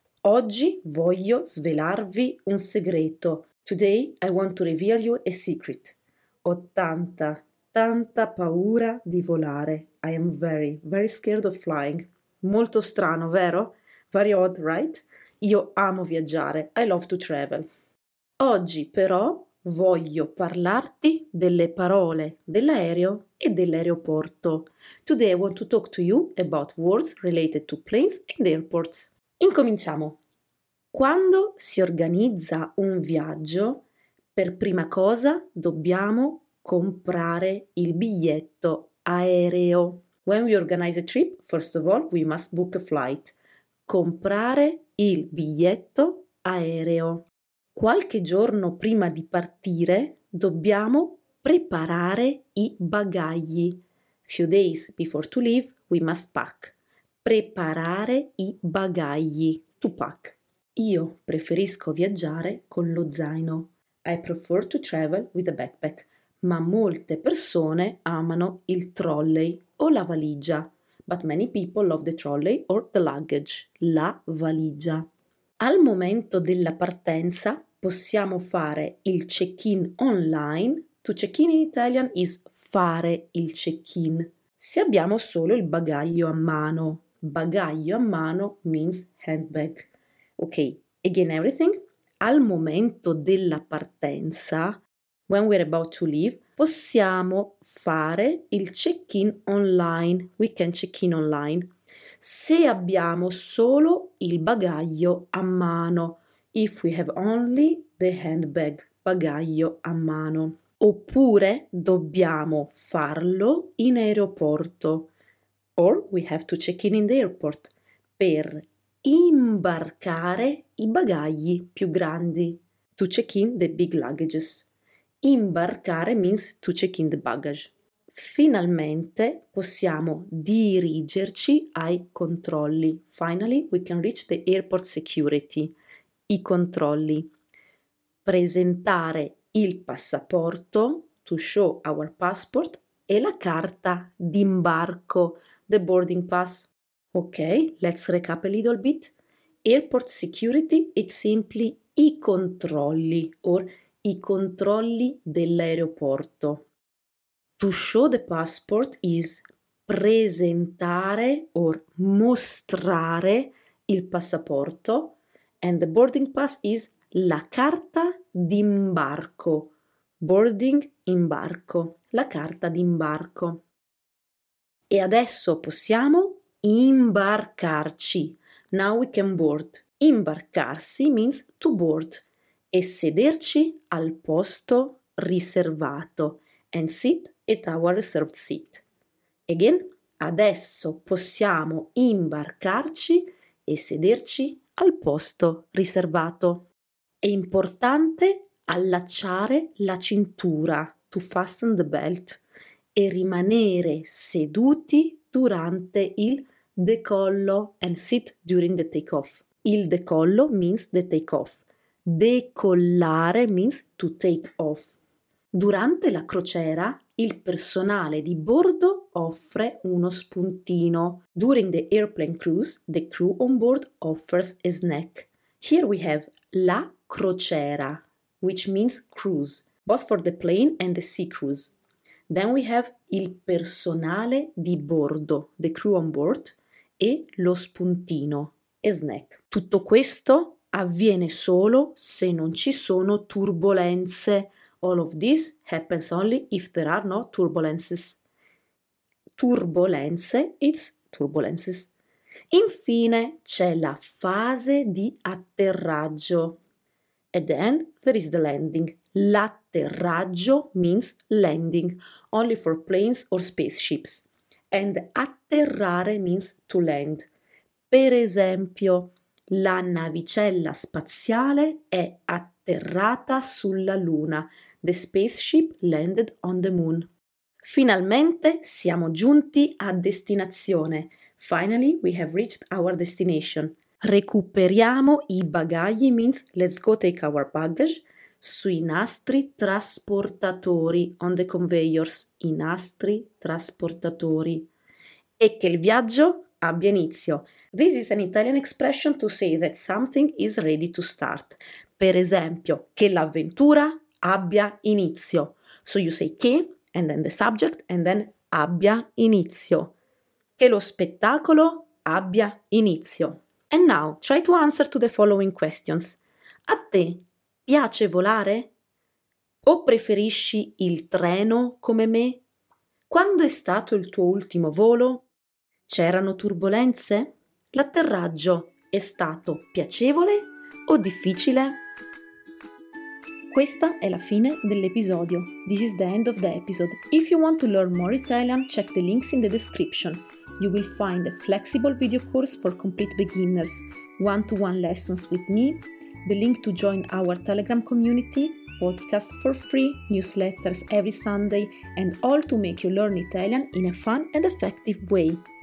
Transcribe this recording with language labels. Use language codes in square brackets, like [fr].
[it] Oggi voglio svelarvi un segreto. [en] Today I want to reveal you a secret. [it] Ho tanta, tanta paura di volare. [en] I am very, very scared of flying. [it] Molto strano, vero? [en] Very odd, right? [it] Io amo viaggiare. [en] I love to travel. [it] Oggi però voglio parlarti delle parole dell'aereo e dell'aeroporto. [en] Today I want to talk to you about words related to planes and airports. [it] Incominciamo. Quando si organizza un viaggio, per prima cosa dobbiamo comprare il biglietto aereo. [en] When we organize a trip, first of all, we must book a flight. [it] Comprare il biglietto aereo. Qualche giorno prima di partire dobbiamo preparare i bagagli. [en] Few days before to leave, we must pack. [it] Preparare i bagagli. [en] To pack. [it] Io preferisco viaggiare con lo zaino. [en] I prefer to travel with a backpack. [it] Ma molte persone amano il trolley o la valigia. [en] But many people love the trolley or the luggage. [it] La valigia. Al momento della partenza possiamo fare il check-in online. [en] To check-in in Italian is [it] fare il check-in. Se abbiamo solo il bagaglio a mano. Bagaglio a mano [en] means handbag. Ok, again everything. [it] Al momento della partenza, [en] when we're about to leave, [it] possiamo fare il check-in online. [en] We can check-in online. [it] Se abbiamo solo il bagaglio a mano. [en] If we have only the handbag, [it] bagaglio a mano. Oppure dobbiamo farlo in aeroporto. [en] Or we have to check in the airport. [it] Per imbarcare i bagagli più grandi. [en] To check in the big luggages. Imbarcare means to check in the baggage. [it] Finalmente possiamo dirigerci ai controlli. [en] Finally we can reach the airport security. [it] I controlli. Presentare il passaporto, [en] to show our passport, [it] e la carta d'imbarco, [en] the boarding pass. Ok, let's recap a little bit. Airport security, it's simply i controlli, or [it] i controlli dell'aeroporto. [en] To show the passport is presentare, or [it] mostrare il passaporto. [en] And the boarding pass is [it] la carta d'imbarco. Boarding, imbarco. La carta d'imbarco. E adesso possiamo imbarcarci. [en] Now we can board. Imbarcarsi means to board. [it] E sederci al posto riservato. [en] And sit at our reserved seat. [it] Again, adesso possiamo imbarcarci e sederci al posto riservato. È importante allacciare la cintura, [en] to fasten the belt, [it] e rimanere seduti durante il decollo, [en] and sit during the takeoff. [it] Il decollo [en] means the takeoff. Decollare means to take off. [it] Durante la crociera, il personale di bordo offre uno spuntino. [en] During the airplane cruise, the crew on board offers a snack. Here we have la crociera, which means cruise, both for the plane and the sea cruise. Then we have [it] il personale di bordo, [en] the crew on board, [it] e lo spuntino, [en] a snack. [it] Tutto questo avviene solo se non ci sono turbolenze. [en] All of this happens only if there are no turbulences. Turbulence, it's turbulences. [it] Infine c'è la fase di atterraggio. [en] At the end, there is the landing. L'atterraggio means landing, only for planes or spaceships. And atterrare means to land. [it] Per esempio, la navicella spaziale è atterrata sulla Luna. [en] The spaceship landed on the Moon. [it] Finalmente siamo giunti a destinazione. [en] Finally, we have reached our destination. [it] Recuperiamo i bagagli [en] means let's go take our baggage [it] sui nastri trasportatori, [en] on the conveyors, [it] i nastri trasportatori. E che il viaggio abbia inizio. [en] This is an Italian expression to say that something is ready to start. [it] Per esempio, che l'avventura abbia inizio. [en] So you say che, and then the subject, and then [it] abbia inizio. Che lo spettacolo abbia inizio. [en] And now, try to answer to the following questions. [it] A te piace volare? O preferisci il treno come me? Quando è stato il tuo ultimo volo? C'erano turbulenze? L'atterraggio è stato piacevole o difficile? Questa è la fine dell'episodio. [en] This is the end of the episode. If you want to learn more Italian, check the links in the description. You will find a flexible video course for complete beginners, one-to-one lessons with me, the link to join our Telegram community, podcast for free, newsletters every Sunday, and all to make you learn Italian in a fun and effective way.